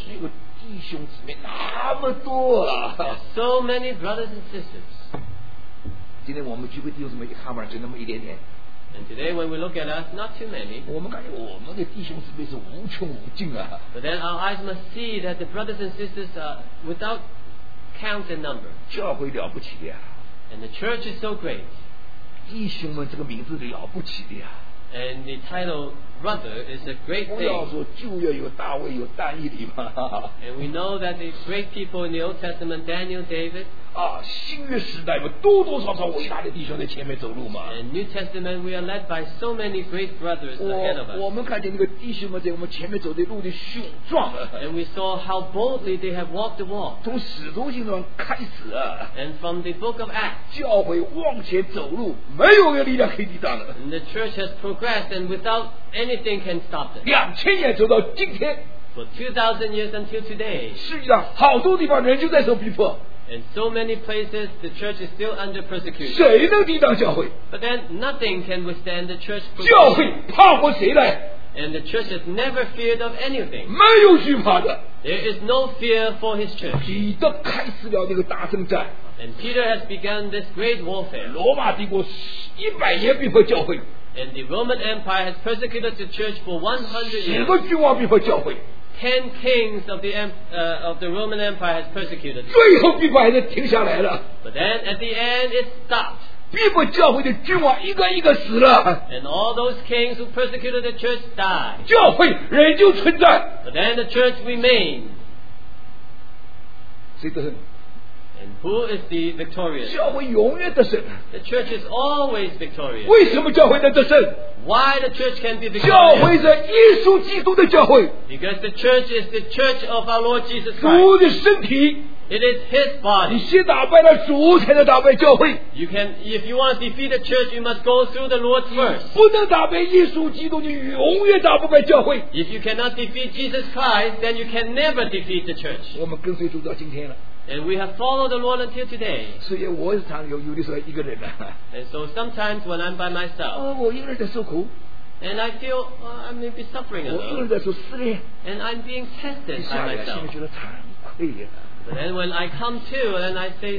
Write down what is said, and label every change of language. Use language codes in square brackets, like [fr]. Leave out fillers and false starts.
[zh] 那个弟兄姊妹那么多啊， [en] so many brothers and sisters. [zh] 今天我们聚会弟兄姊妹一看嘛，就那么一点点。 [en] And today when we look at us, not too many. [zh] 我们感觉我们的弟兄姊妹是无穷无尽啊。 [en] But then our eyes must see that the brothers and sisters are without count and number. [zh] 教会了不起的呀。 [en] And the church is so great. [zh] 弟兄们这个名字了不起的呀。 [en] And the title brother is a great thing. [zh] 不要说旧约有大卫有但以理嘛。 [en] And we know that the great people in the Old Testament, Daniel, David. [zh] 啊，新约时代嘛，多多少少伟大的弟兄在前面走路嘛。 [en] And New Testament, we are led by so many great brothers ahead of us. [zh] 我们看见那个弟兄们在我们前面走的路的雄壮。 [en] And we saw how boldly they have walked the walk. [zh] 从使徒行传开始。 [en] And from the book of Acts. [zh] 教会往前走路，没有一个力量可以抵挡的。 [en] And the church has progressed, and without anything can stop them. [zh] 2000年走到今天。 [en] For 2000 years until today. [zh] 世界上好多地方人就在受逼迫。 [en] In so many places, the church is still under persecution. [zh] 谁能抵挡教会？ [en] But then, nothing can withstand the church. [zh] 教会怕过谁来？ [en] And the church has never feared of anything. [zh] 没有惧怕的。 [en] There is no fear for his church. [zh] 彼得开始了那个大征战。 [en] And Peter has begun this great warfare. [zh] 罗马帝国100年逼迫教会。 [en] And the Roman Empire has persecuted the church for 100 years. [zh] 十个君王逼迫教会。 [en] 10 kings of the Roman Empire has persecuted. [zh] 最后逼迫还是停下来了。 [en] But then at the end it stopped. [zh] 逼迫教会的君王一个一个死了。 [en] And all those kings who persecuted the church died. [zh] 教会仍旧存在。 [en] But then the church remained. [zh] 谁得胜？ [en] And who is the victorious? [zh] 教会永远得胜。 [en] The church is always victorious. [zh] 为什么教会能得胜？ [en] Why the church can be the church? [zh] 教会是耶稣基督的教会。 [en] Because the church is the church of our Lord Jesus Christ. [zh] 主的身体。 [en] It is His body. [zh] 你先打败了主，才能打败教会。 [en] You can, if you want to defeat the church, you must go through the Lord first. [zh] 不能打败耶稣基督，你永远打不败教会。 [en] If you cannot defeat Jesus Christ, then you can never defeat the church. [zh] 我们跟随主到今天了。 [en] And we have followed the Lord until today. [zh] 所以我常常有的时候一个人啊。 [en] And so sometimes when I'm by myself. [zh] 哦，我一个人在受苦。 [en] And I feel I may be suffering a little. [zh] 我一个人在受试炼。 [en] And I'm being tested by myself. [zh] 一下子心里觉得惭愧呀。 [en] But then when I come to and I say,